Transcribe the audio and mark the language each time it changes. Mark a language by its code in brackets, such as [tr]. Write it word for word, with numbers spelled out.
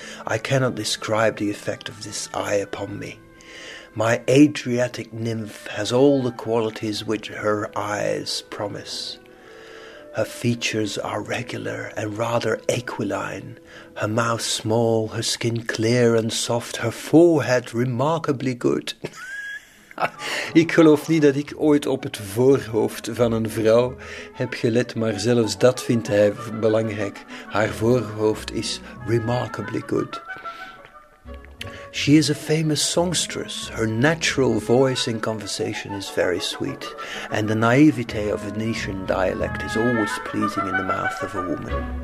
[en] I cannot describe the effect of this eye upon me. My Adriatic nymph has all the qualities which her eyes promise. Her features are regular and rather aquiline, her mouth small, her skin clear and soft, her forehead remarkably good. [nl] Ik geloof niet dat ik ooit op het voorhoofd van een vrouw heb gelet, maar zelfs dat vindt hij belangrijk. Haar voorhoofd is [en] remarkably good. She is a famous songstress. Her natural voice in conversation is very sweet, and the naivete of Venetian dialect is always pleasing in the mouth of a woman.